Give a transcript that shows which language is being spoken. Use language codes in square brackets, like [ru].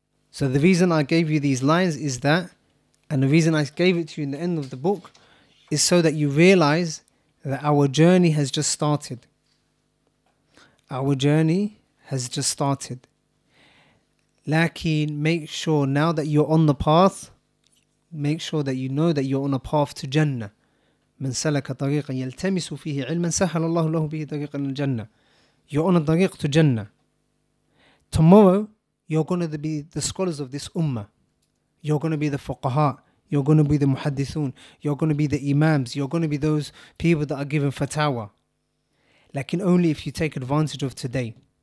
[en] So the reason I gave you these lines is that, and the reason I gave it to you in the end of the book, is so that you realize that our journey has just started. Our journey has just started. Lakin, make sure now that you're on the path, make sure that you know that you're on a path to Jannah. [ar] من سلك طريقا يلتمس فيه علما سهل الله له به طريقا الجنة. [en] You're on a tariq to Jannah. Tomorrow, you're going to be the scholars of this ummah. You're going to be the fuqaha. You're going to be the muhaddithun. You're going to be the imams. You're going to be those people that are given fatawa. Lakin only if you take advantage of today.